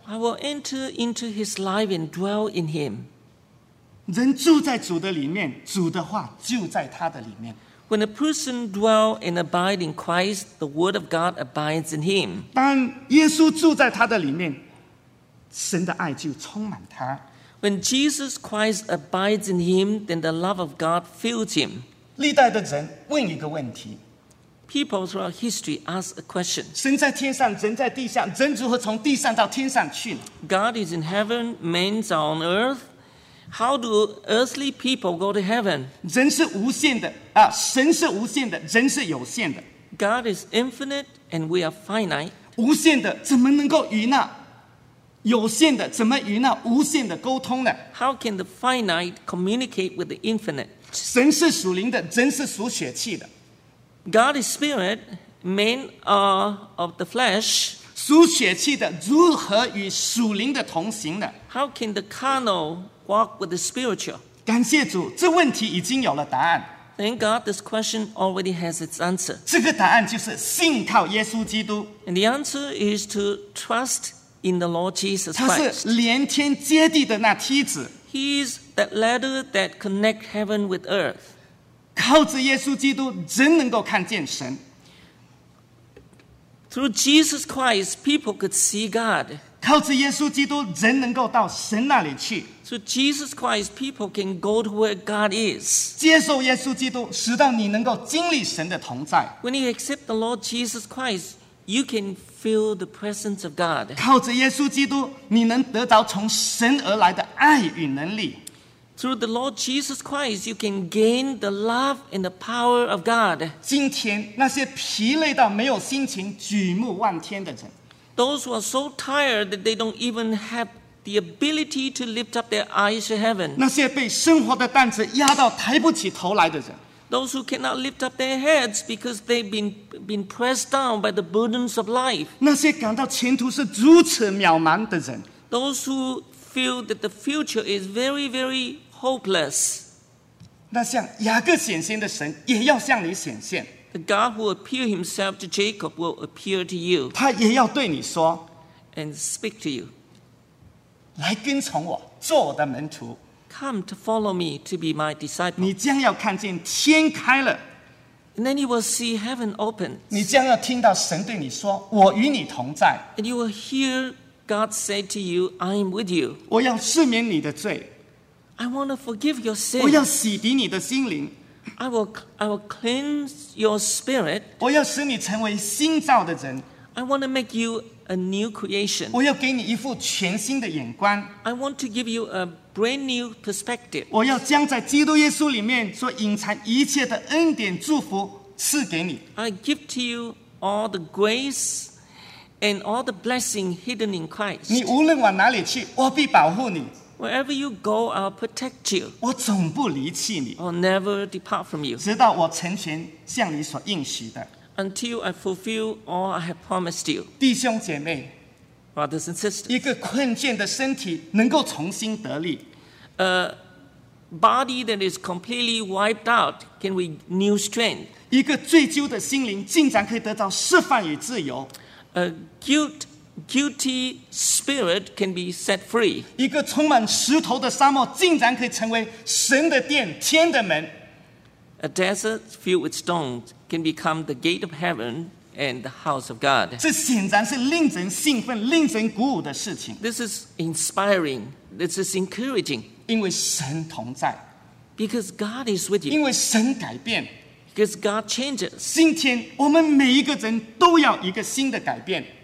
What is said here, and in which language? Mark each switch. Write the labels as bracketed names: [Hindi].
[English] I will enter into his life and dwell in him. [Chinese] 人住在主的里面，主的话就在他的里面。 [English] When a person dwells and abides in Christ, the word of God abides in him. [Chinese] 当耶稣住在他的里面，神的爱就充满他。 [English] When Jesus Christ abides in him, then the love of God fills him. [Chinese] 历代的人问一个问题。 [English] People throughout history ask a question. [Chinese] 神在天上，人在地下，人如何从地上到天上去呢？ [English] God is in heaven, men are on earth. How do earthly people go to heaven? [Chinese] 人是无限的啊，神是无限的，人是有限的。 [English] God is infinite and we are finite. [Chinese] 无限的怎么能够与那有限的怎么与那无限的沟通呢？ [English] How can the finite communicate with the infinite? [Chinese] 神是属灵的，人是属血气的。 [English] God is spirit, men are of the flesh. [Chinese] 属血气的如何与属灵的同行呢？ [English] How can the carnal walk with the spiritual? [Chinese] 感谢主，这问题已经有了答案。 [English] Thank God, this question already has its answer. [Chinese] 这个答案就是信靠耶稣基督。 [English] And the answer is to trust in the Lord Jesus Christ. [Chinese] 他是连天接地的那梯子。 [English] He is that ladder that connects heaven with earth. [Chinese] 靠着耶稣基督，人能够看见神。 [English] Through Jesus Christ, people could see God. [Chinese] 靠着耶稣基督，人能够到神那里去。 [English] Through Jesus Christ, people can go to where God is. [Chinese] 接受耶稣基督，使到你能够经历神的同在。 [English] When you accept the Lord Jesus Christ, you can feel the presence of God. [Chinese] 靠着耶稣基督，你能得到从神而来的爱与能力。 [English] Through the Lord Jesus Christ, you can gain the love and the power of God. [Chinese] 今天那些疲累到没有心情举目望天的人 [English] ，those who are so tired that they don't even have the ability to lift up their eyes to heaven. [Chinese] 那些被生活的担子压到抬不起头来的人 [English] ，those who cannot lift up their heads because they've been pressed down by the burdens of life. [Chinese] 那些感到前途是如此渺茫的人 [English] ，those who feel that the future is very, very hopeless. [Chinese] 那像雅各显现的神也要向你显现。 [English] The God who appeared himself to Jacob will appear to you. [Chinese] 他也要对你说。 [English] And speak to you. [Chinese] 来跟从我，做我的门徒。 [English] Come to follow me to be my disciple. [Chinese] 你将要看见天开了。 [English] And then you will see heaven open. [Chinese] 你将要听到神对你说，我与你同在。 [English] And you will hear God said to you, I am with you. [Chinese] 我要赦免你的罪。 [English] I want to forgive your sin. [Chinese] 我要洗涤你的心灵。 [English] I will cleanse your spirit. [Chinese] 我要使你成为新造的人。 [English] I want to make you a new creation. [Chinese] 我要给你一副全新的眼光。 [English] I want to give you a brand new perspective. [Chinese] 我要将在基督耶稣里面所隐藏一切的恩典祝福赐给你。 [English] I give to you all the grace and all the blessing hidden in Christ. [Chinese] 你无论往哪里去，我必保护你。 [English] Wherever you go, I'll protect you. [Chinese] 我总不离弃你。 [English] I'll never depart from you. [Chinese] 直到我成全向你所应许的。 [English] Until I fulfill all I have promised you. [Chinese] 弟兄姐妹 [English] ，brothers and sisters, [Chinese] 一个困倦的身体能够重新得力。 [English] A body that is completely wiped out can renew strength. [Chinese] 一个罪疚的心灵竟然可以得到释放与自由。 [English] A guilty spirit can be set free. [Chinese] 一个充满石头的沙漠竟然可以成为神的殿，天的门。 [English] A desert filled with stones can become the gate of heaven and the house of God. [Chinese] 这显然是令人兴奋、令人鼓舞的事情。 [English] This is inspiring. This is encouraging. [Chinese] 因为神同在。 [English] Because God is with you. [Chinese] 因为神改变。 [English] Because God changes. [Chinese] 今天我们每一个人都要一个新的改变。